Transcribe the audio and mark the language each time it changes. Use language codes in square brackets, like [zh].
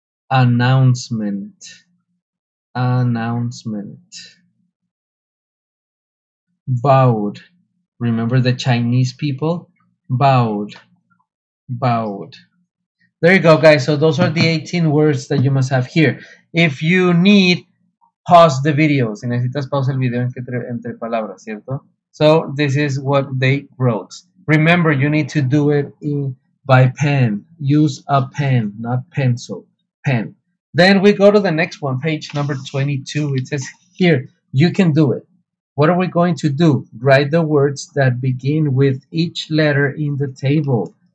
[en] Announcement. Announcement. Bowed. Remember the Chinese people? Bowed. Bowed. There you go, guys. So those are the 18 words that you must have here. If you need, pause the video. [es] Si necesitas pausa el video entre palabras, ¿cierto? [en] So this is what they wrote. Remember, you need to do it by pen. Use a pen, not pencil. Pen. Then we go to the next one, page number 22. It says here, you can do it. What are we going to do? Write the words that begin with each letter in the table.